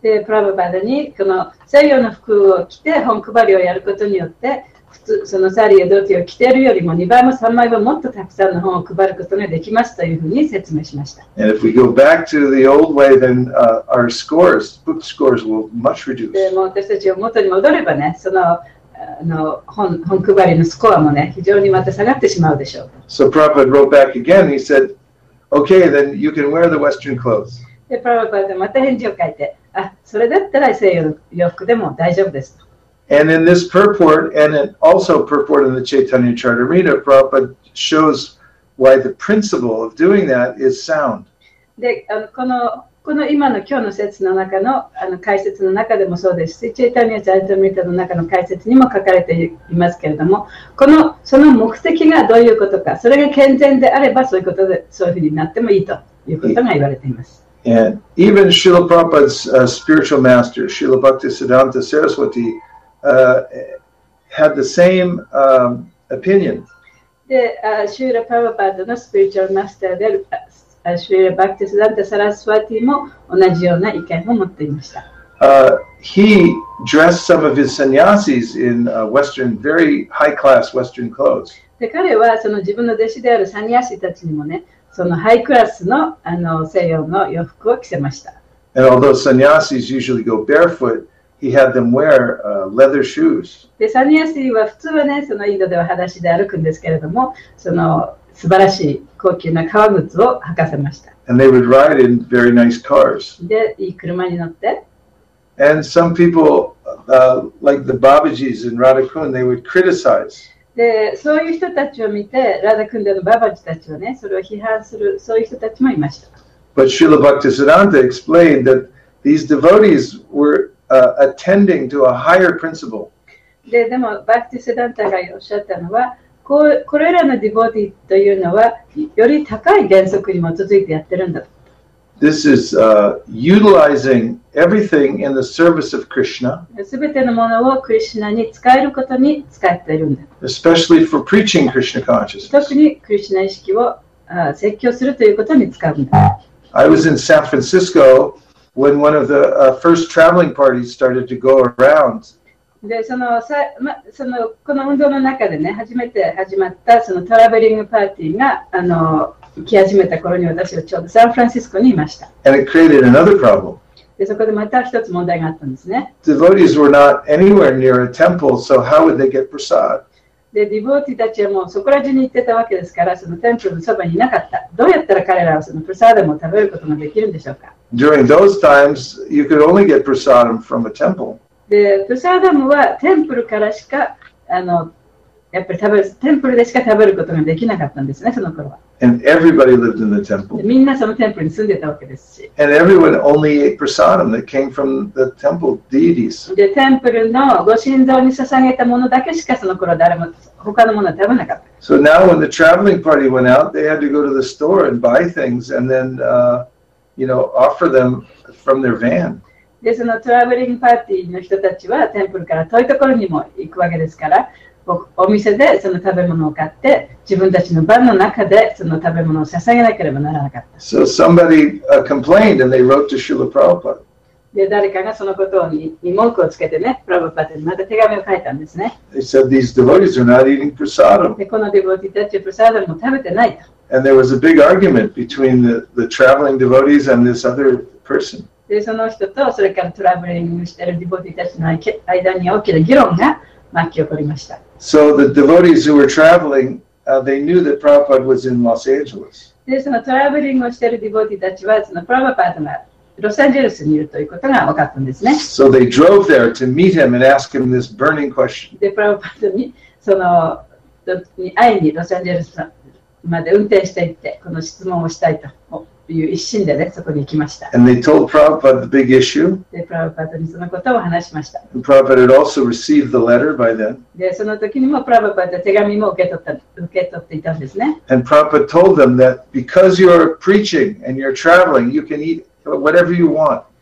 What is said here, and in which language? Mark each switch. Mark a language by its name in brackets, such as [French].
[Japanese] で、プラヴァパータにこの西洋の服を着て本配りをやることによって、そのサリーやドーティーを着ているよりも2倍も3倍ももっとたくさんの本を配ることができますというふうに説明しました。 [English] And if we go back to the old way, then our scores, book scores will much reduce. [Japanese] でも私たちが元に戻ればね、あの本配りのスコアもね、非常にまた下がってしまうでしょう。 [English] So Prabhupada wrote back again. He said, okay, then you can wear the Western clothes. [Japanese] で、Prabhupada はまた返事を書いて、あ、それだったら西洋洋服でも大丈夫ですと。 [English] And in this purport, and it also purport in the Chaitanya Charitamrita, Prabhupada shows why the principle of doing that is sound. [Japanese] で、この今日の説の中の、あの解説の中でもそうですし、Chaitanya Charitamrita の中の解説にも書かれていますけれども、この、その目的がどういうことか、それが健全であればそういうことで、そういうふうになってもいいということが言われています。 [English] And even Srila Prabhupada's spiritual master, Srila Bhaktisiddhanta Saraswati,had the same opinion. [Japanese] で、Srila Prabhupada のスピリチュアルマスターである Srila Bhaktisiddhanta Saraswati も同じような意見を持っていました。 [English] He dressed some of his sannyasis in Western, very high class Western clothes. [Japanese] で、彼はその自分の弟子であるサニヤシたちにもね、そのハイクラスの、あの西洋の洋服を着せました。 [English] And although sannyasis usually go barefoot,He had them wear leather shoes. [Japanese] で、サニヤシは普通はね、そのインドでは裸足で歩くんですけれども、その素晴らしい高級な革靴を履かせました。 [English] And they would ride in very nice cars. [Japanese] で、いい車に乗って。 [English] And some people, like the Babajis in Radhakund, they would criticize. [Japanese] で、そういう人たちを見て、Radhakund のババジたちはね、それを批判する、そういう人たちもいました。 [English] But Srila Bhaktisiddhanta explained that these devotees were... attending to a higher principle. [Japanese] で、でも、バクティセダンタがおっしゃったのは、これらのディボディというのは、より高い原則に基づいてやってるんだ。 [English] This is utilizing everything in the service of Krishna. [Japanese] すべてのものをクリシュナに使えることに使ってるんだ。 [English] Especially for preaching Krishna consciousness. [Japanese] 特にクリシュナ意識を説教するということに使うんだ。 [English] I was in San Francisco. When one of the first traveling parties started to go around [Japanese] でそのさ、ま、そのこの運動の中でね、初めて始まったそのトラベリングパーティーが来始めた頃に私はちょうどサンフランシスコにいました。 [English] And it created another problem. [Japanese] でそこでまた一つ問題があったんですね。 [English] Devotees were not anywhere near a temple, so how would they get prasad? [Japanese] でディボーティーたちはもうそこら中に行ってたわけですから、そのテンプルのそばにいなかった。どうやったら彼らはそのプラサダムを食べることができるんでしょうか。 [English] During those times, you could only get prasadam from a temple. [Japanese] でプラサダムはテンプルからしかやっぱり食べる、テンプルでしか食べることができなかったんですね、その頃は。 [English] And everybody lived in the temple. [Japanese] みんなそのテンプルに住んでたわけですし。 [English] And everyone only ate prasadam that came from the temple deities. [Japanese] で、テンプルのご神像に捧げたものだけしかその頃誰も他のものは食べなかった。 [English] So now when the traveling party went out, they had to go to the store and buy things and then, you know, offer them from their van. [Japanese] で、そのトラベリングパーティーの人たちはテンプルから遠いところにも行くわけですから、お店でその食べ物を買って自分たちのバンの中でその食べ物を捧げなければならなかった。 [English] So somebody complained and they wrote to Srila Prabhupada. [Japanese] で誰かがそのことに文句をつけてね、プラブパテにまた手紙を書いたんですね。 [English] They said these devotees are not eating prasadam. [Japanese] でこのディボティたちはプラサダムも食べてないと。 [English] And there was a big argument between the traveling devotees and this other person. [Japanese] でその人とそれからトラベリングしてるディボティたちの間に大きな議論が巻き起こりました。 [English] So the devotees who were traveling, they knew that Prabhupada was in Los Angeles. [Japanese] で、そのトラベリングをしているディボティたちは、そのプラブパダがロサンゼルスにいるということが分かったんですね。 [English] So they drove there to meet him and ask him this burning question. [Japanese] で、プラブパダにその会いにロサンゼルスまで運転していってこの質問をしたいという一心でね、そこに行きました。 [English] And they told Prabhupada the big issue. [Japanese] で、プラブパダにそのことを話しました。 [English] And Prabhupada had also received the letter by then. [Japanese] で、その時にもプラブパダ手紙も受け取っていたんですね。 [English] And Prabhupada told them that because you're preaching and you're traveling, you can eat whatever you want.